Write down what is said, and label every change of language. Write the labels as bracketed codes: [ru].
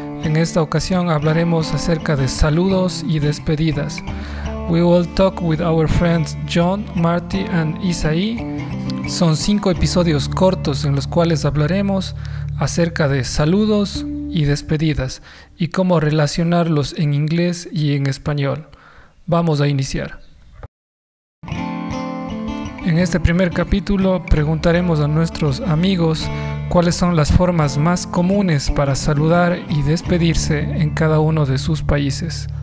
[es] En esta ocasión hablaremos acerca de saludos y despedidas. [en] We will talk with our friends John, Marty and Isaí. [es] Son 5 episodios cortos en los cuales hablaremos acerca de saludos y despedidas y cómo relacionarlos en inglés y en español. Vamos a iniciar. En este primer capítulo preguntaremos a nuestros amigos cuáles son las formas más comunes para saludar y despedirse en cada uno de sus países.